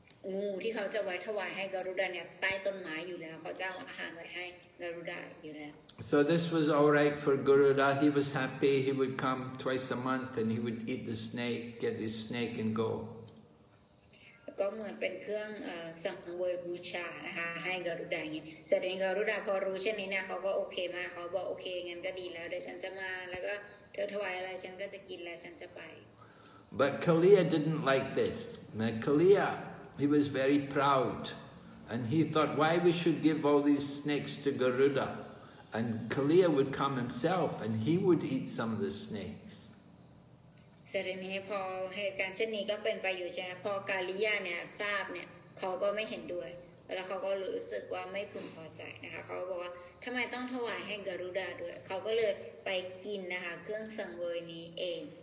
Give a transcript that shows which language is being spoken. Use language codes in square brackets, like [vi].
[th] งูที่เขาจะไว้ถวายให้การุดาเนี่ยใต้ต้นไม้อยู่แล้วเขาจะเอาอาหารไว้ให้การุดาอยู่แล้ว [en] So this was all right for Garuda. He was happy. He would come twice a month and he would eat the snake, get his snake and go. [th] ก็เหมือนเป็นเครื่องสังเวยบูชานะคะให้การุดาอย่างนี้แสดงการุดาพอรู้เช่นนี้เนี่ยเขาก็โอเคมาเขาบอกโอเคงั้นก็ดีแล้วเดี๋ยวฉันจะมาแล้วก็เธอถวายอะไรฉันก็จะกินแล้วฉันจะไป [en] But Kaliya didn't like this. Now Kaliya, he was very proud, and he thought, why we should give all these snakes to Garuda, and Kaliya would come himself, and he would eat some of the snakes. [th] เรื่องนี้พอเหตุการณ์เช่นนี้ก็เป็นไปอยู่ใช่ไหมพอกาลิยาเนี่ยทราบเนี่ยเขาก็ไม่เห็นด้วยแล้วเขาก็รู้สึกว่าไม่พึงพอใจนะคะเขาบอกว่าทำไมต้องถวายให้การุดาด้วยเขาก็เลยไปกินนะคะเครื่องสังเวยนี้เอง